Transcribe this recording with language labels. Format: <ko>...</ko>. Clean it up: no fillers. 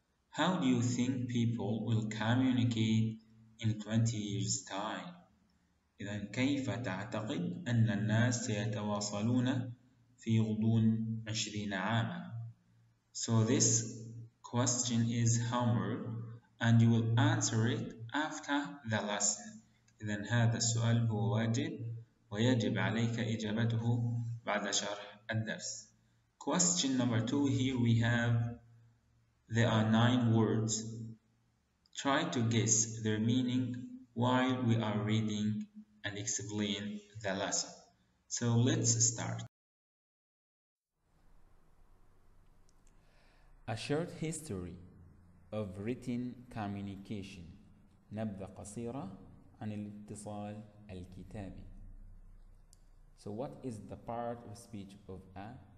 <en>How do you think people will communicate in 20 years time?</en> <ar>إذن كيف تعتقد أن الناس سيتواصلون في غضون 20 عاما؟</ar> <en>So this question is homework and you will answer it after the lesson.</en> <ar>إذن هذا السؤال هو واجب ويجب عليك إجابته بعد شرح الدرس.</ar> <en>Question number 2, here we have, there are 9 words. Try to guess their meaning while we are reading and explain the lesson. So let's start. A short history of written communication.</en> <ar>نبذة قصيرة عن الاتصال الكتابي.</ar> <en>So what is the part of speech of a?</en>